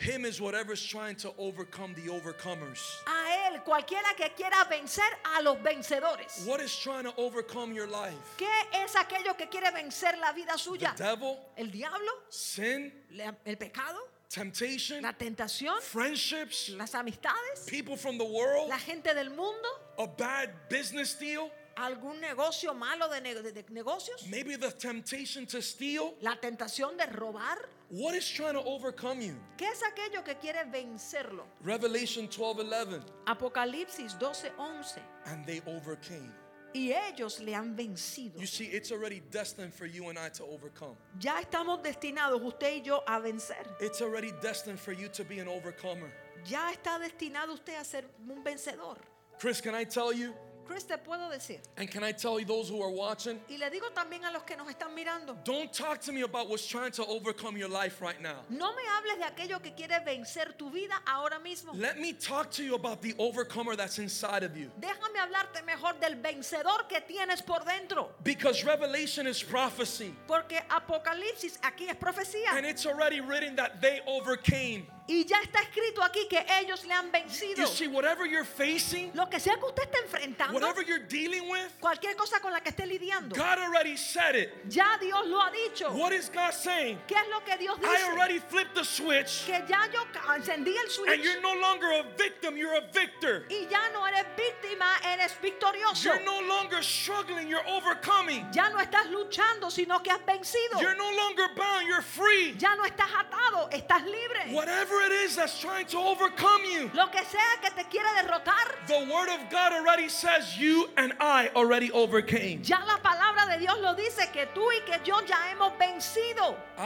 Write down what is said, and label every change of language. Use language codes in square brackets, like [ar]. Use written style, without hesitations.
[en] Him is whatever's trying to overcome the overcomers. [es] A él, cualquiera que quiera vencer a los vencedores. [en] What is trying to overcome your life? [es] ¿Qué es aquello que quiere vencer la vida suya? [en] The devil, [es] el diablo, [en] sin, [es] el pecado, [en] temptation, [es] la tentación, [en] friendships, [es] las amistades, [en] people from the world, [es] la gente del mundo, [en] a bad business deal, [es] algún negocio malo de negocios, [en] maybe the temptation to steal, [es] la tentación de robar. [en] What is trying to overcome you? [es] ¿Qué es aquello que quiere vencerlo? [en] Revelation 12:11. [es] Apocalipsis 12:11. [en] And they overcame. [es] Y ellos le han vencido. [en] You see, it's already destined for you and I to overcome. [es] Ya estamos destinados usted y yo a vencer. [en] It's already destined for you to be an overcomer. [es] Ya está destinado usted a ser un vencedor. [en] Chris, can I tell you? [es] Chris, te puedo decir. [en] And can I tell you those who are watching? [es] Y le digo también a los que nos están mirando. [en] Don't talk to me about what's trying to overcome your life right now. [es] No me hables de aquello que quiere vencer tu vida ahora mismo. [en] Let me talk to you about the overcomer that's inside of you. [es] Déjame hablarte mejor del vencedor que tienes por dentro. [en] Because Revelation is prophecy. [es] Porque Apocalipsis aquí es profecía. [en] And it's already written that they overcame. [es] Y ya está escrito aquí que ellos le han vencido. [en] You see, whatever you're facing, [es] lo que sea que usted esté enfrentando, [en] whatever you're dealing with, [es] cualquier cosa con la que esté lidiando, [en] God already said it. [es] Ya Dios lo ha dicho. [en] What is God saying? [es] ¿Qué es lo que Dios dice? [en] I already flipped the switch. [es] Que ya yo encendí el switch. [en] And you're no longer a victim, you're a victor. [es] Y ya no eres víctima, eres victorioso. [en] You're no longer struggling, you're overcoming. [es] Ya no estás luchando, sino que has vencido. [en] You're no longer bound, you're free. [es] Ya no estás atado, estás libre. [en] Whatever it is that's trying to overcome you. [es] Lo que sea que te quiera derrotar. [en] The word of God already says you and I already overcame. [es] Ya la palabra de Dios lo dice que tú y que yo ya hemos vencido.